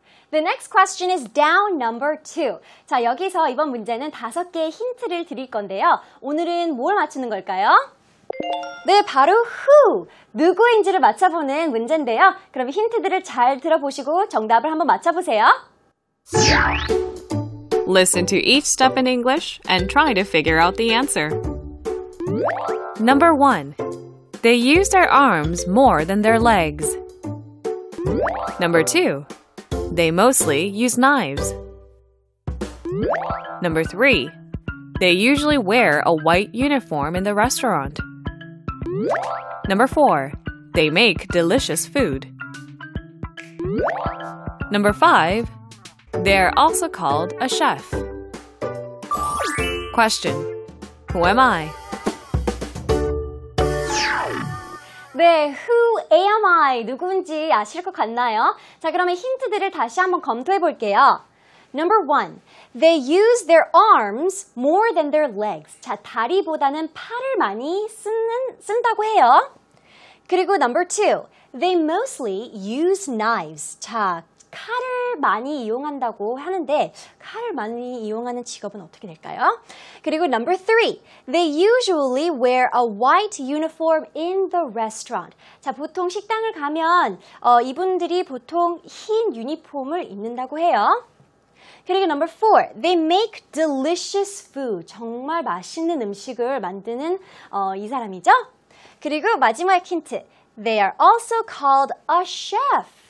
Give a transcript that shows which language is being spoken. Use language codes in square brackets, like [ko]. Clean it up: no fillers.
[en] The next question is down number 2. [ko] 자, 여기서 이번 문제는 5개의 힌트를 드릴 건데요. 오늘은 뭘 맞추는 걸까요? 네, 바로 who, 누구인지를 맞춰보는 문제인데요. 그럼 힌트들을 잘 들어보시고 정답을 한번 맞춰보세요. [en] Listen to each step in English and try to figure out the answer. Number 1. They use their arms more than their legs. Number 2. They mostly use knives. Number 3. They usually wear a white uniform in the restaurant. Number 4. They make delicious food. Number 5. They are also called a chef. Question. Who am I? [ko] 네, [en] who am I? [ko] 누군지 아실 것 같나요? 자, 그러면 힌트들을 다시 한번 검토해 볼게요. [en] Number one, they use their arms more than their legs. [ko] 자, 다리보다는 팔을 많이 쓴다고 해요. 그리고 [en] number two, they mostly use knives. 자, [ko] 칼을 많이 이용한다고 하는데 칼을 많이 이용하는 직업은 어떻게 될까요? 그리고 [en] number three, they usually wear a white uniform in the restaurant. [ko] 자, 보통 식당을 가면 이분들이 보통 흰 유니폼을 입는다고 해요. 그리고 [en] number four, they make delicious food. [ko] 정말 맛있는 음식을 만드는 이 사람이죠. 그리고 마지막 힌트, [en] they are also called a chef.